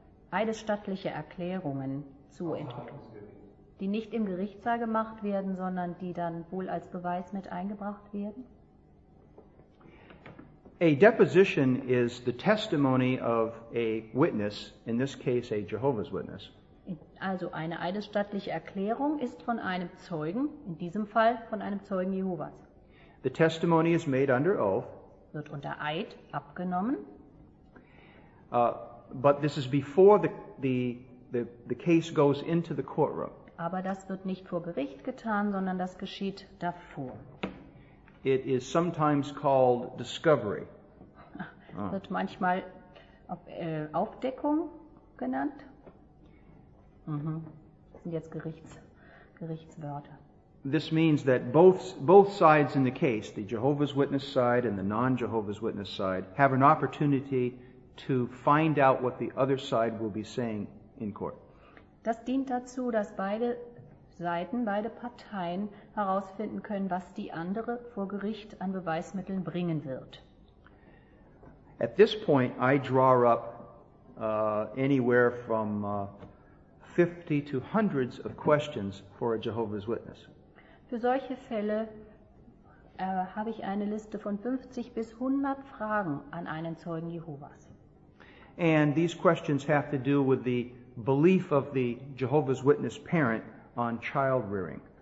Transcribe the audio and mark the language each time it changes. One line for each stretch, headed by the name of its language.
German: Eidesstattliche Erklärungen zu entwickeln, die nicht im Gerichtssaal gemacht werden, sondern die dann wohl als Beweis mit eingebracht werden?
English: A deposition is the testimony of a witness, in this case a Jehovah's Witness.
German: Also eine eidesstattliche Erklärung ist von einem Zeugen, in diesem Fall von einem Zeugen Jehovas.
English: The testimony is made under oath.
German: Wird unter Eid abgenommen.
English: But this is before the case goes into the courtroom.
German: Aber das wird nicht vor Gericht getan, sondern das geschieht davor.
English: It is sometimes called discovery.
German: Wird manchmal Aufdeckung genannt. Das sind jetzt Gerichtswörter.
English: This means that both sides in the case, the Jehovah's Witness side and the non-Jehovah's Witness side, have an opportunity to find out what the other side will be saying in court.
German: Das dient dazu, dass beide Seiten, beide Parteien herausfinden können, was die andere vor Gericht an Beweismitteln bringen wird.
English: At this point, I draw up anywhere from 50 to hundreds of questions for a Jehovah's Witness.
German: Für solche Fälle habe ich eine Liste von 50 bis 100 Fragen an einen Zeugen Jehovas.
English: And these questions have to do with the belief of the Jehovah's Witness parent on child rearing.